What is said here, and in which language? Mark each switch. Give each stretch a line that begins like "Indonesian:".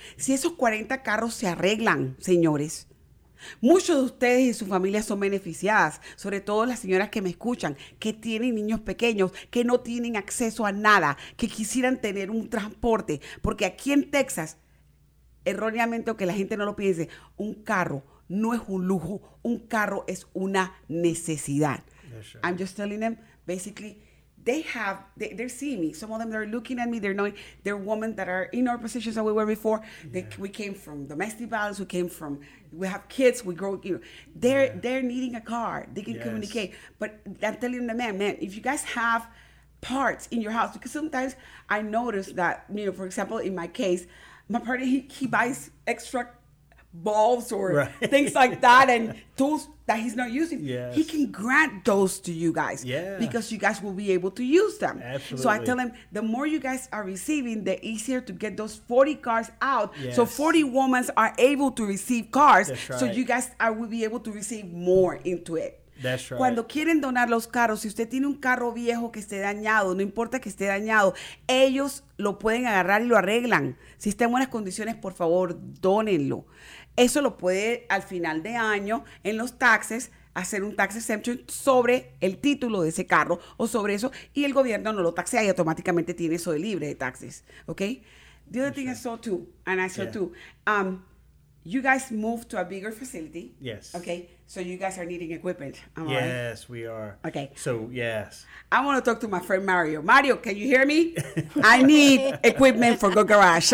Spanish: Si esos 40 carros se arreglan, señores, muchos de ustedes y sus familias son beneficiadas, sobre todo las señoras que me escuchan, que tienen niños pequeños, que no tienen acceso a nada, que quisieran tener un transporte. Porque aquí en Texas, erróneamente, aunque la gente no lo piense, un carro no es un lujo, un carro es una necesidad.
English: Yeah, sure. I'm just telling them, basically, they're seeing me. Some of them, they're looking at me, they're knowing, they're women that are in our positions that we were before. Yeah. We came from domestic violence, we have kids, we grow, you know. They're needing a car, they can communicate. But I'm telling the man, if you guys have parts in your house, because sometimes I notice that, you know, for example, in my case, my partner, he buys extra bulbs or things like that and tools that he's not using. Yes. He can grant those to you guys because you guys will be able to use them. Absolutely. So I tell him, the more you guys are receiving, the easier to get those 40 cars out. Yes. So 40 women are able to receive cars. That's right. So you guys will be able to receive more into it. That's right.
Spanish: Cuando quieren donar los carros, si usted tiene un carro viejo que esté dañado, no importa que esté dañado, ellos lo pueden agarrar y lo arreglan. Si está en buenas condiciones, por favor, dónenlo. Eso lo puede, al final de año, en los taxes, hacer un tax exemption sobre el título de ese carro o sobre eso, y el gobierno no lo taxea y automáticamente tiene eso de libre de taxes. ¿Okay?
English: The other thing I saw too, and I saw too, you guys moved to a bigger facility. Yes. Okay. So you guys are needing equipment. Yes, we are. Okay. So, yes. I want to talk to my friend Mario. Mario, can you hear me? I need equipment for Go Garage.